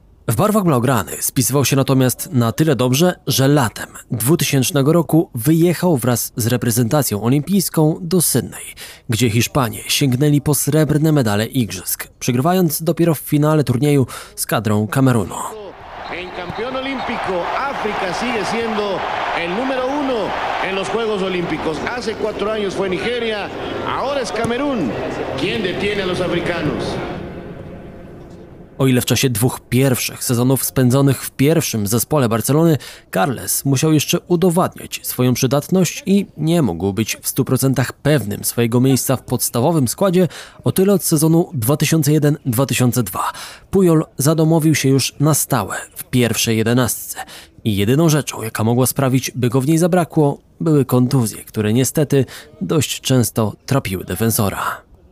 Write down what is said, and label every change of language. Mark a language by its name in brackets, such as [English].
[Polish] W barwach Blaugrany spisywał się natomiast na tyle dobrze, że latem 2000 roku wyjechał wraz z reprezentacją olimpijską do Sydney, gdzie Hiszpanie sięgnęli po srebrne medale igrzysk, przegrywając dopiero w finale turnieju z kadrą Kamerunu. [Spanish] En campeón olímpico, África sigue siendo el número uno en los Juegos Olímpicos. Hace 4 años fue Nigeria, ahora es Camerún. ¿Quién detiene a los africanos? [Polish] O ile w czasie 2 pierwszych sezonów spędzonych w pierwszym zespole Barcelony, Carles musiał jeszcze udowadniać swoją przydatność i nie mógł być w 100% pewnym swojego miejsca w podstawowym składzie, o tyle od sezonu 2001-2002 Puyol zadomowił się już na stałe w pierwszej jedenastce i jedyną rzeczą, jaka mogła sprawić, by go w niej zabrakło, były kontuzje, które niestety dość często trapiły defensora.